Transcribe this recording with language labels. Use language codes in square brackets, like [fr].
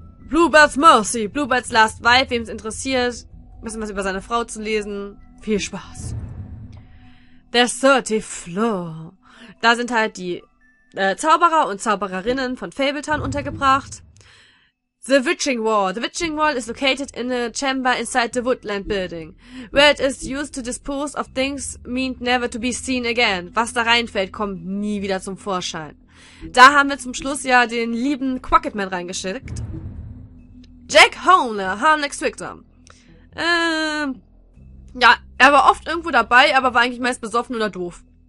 [de] Bluebird's Mercy, Bluebird's Last Wife, wem es interessiert, ein bisschen was über seine Frau zu lesen. Viel Spaß. The 30th Floor. Da sind halt die Zauberer und Zaubererinnen von Fabletown untergebracht. [en] The Witching Wall. The Witching Wall is located in a chamber inside the Woodland Building, where it is used to dispose of things meant never to be seen again. [de] Was da reinfällt, kommt nie wieder zum Vorschein. Da haben wir zum Schluss ja den lieben Quacketman reingeschickt. [en] Jack Horner, Harmless Victor. [de] Ja, er war oft irgendwo dabei, aber war eigentlich meist besoffen oder doof.